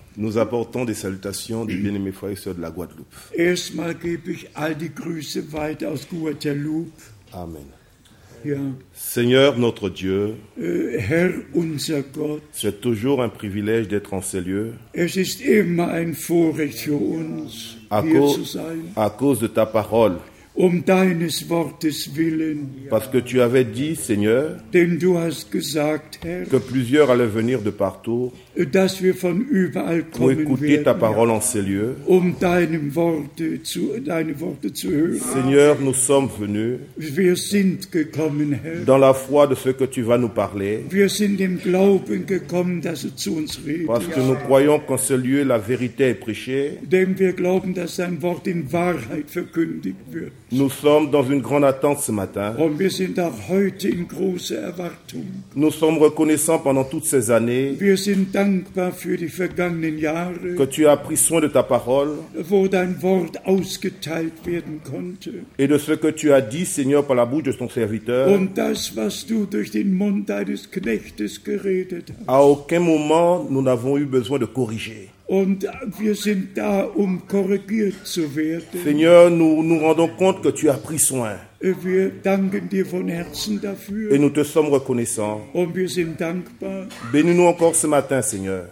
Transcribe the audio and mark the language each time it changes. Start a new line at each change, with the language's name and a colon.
French: Nous apportons des salutations des bien-aimés frères et sœurs de la Guadeloupe.
German: Erstmal gebe ich all die Grüße weiter aus Guadeloupe. Amen. Ja.
French: Seigneur notre Dieu,
German: Herr unser Gott,
French: c'est toujours un privilège d'être en ces lieux.
German: Es ist immer ein Vorrecht für uns, hier zu sein.
French: À cause de ta parole.
German: Deines Wortes willen.
French: Parce que tu avais dit, Seigneur,
German: denn du hast gesagt, Herr,
French: que plusieurs allaient venir de partout
German: dass wir von überall kommen
French: pour écouter
German: werden,
French: ta parole en ces lieux.
German: Deine Worte zu hören.
French: Seigneur, nous sommes venus
German: wir sind gekommen, Herr,
French: dans la foi de ce que tu vas nous parler
German: wir sind im Glauben gekommen, dass du zu uns redest,
French: parce que nous croyons qu'en ce lieu la vérité est prêchée
German: denn wir glauben, dass dein Wort in Wahrheit verkündigt wird.
French: Nous sommes dans une grande attente ce matin.
German: Und wir sind auch heute in große Erwartung.
French: Nous sommes reconnaissants pendant toutes ces années.
German: Wir sind dankbar für die vergangenen Jahre.
French: Que tu as pris soin de ta parole.
German: Wo dein Wort ausgeteilt werden konnte.
French: Et de ce que tu as dit, Seigneur, par la bouche de ton serviteur.
German: Und das, was du durch den Mund deines Knechtes geredet hast.
French: À aucun moment, nous n'avons eu besoin de corriger.
German: Und wir sind da, korrigiert zu werden.
French: Seigneur, nous rendons compte que tu as pris soin.
German: Et wir danken dir von Herzen dafür.
French: Et nous te sommes reconnaissants.
German: Und wir sind dankbar.
French: Bénis-nous encore ce matin, Seigneur.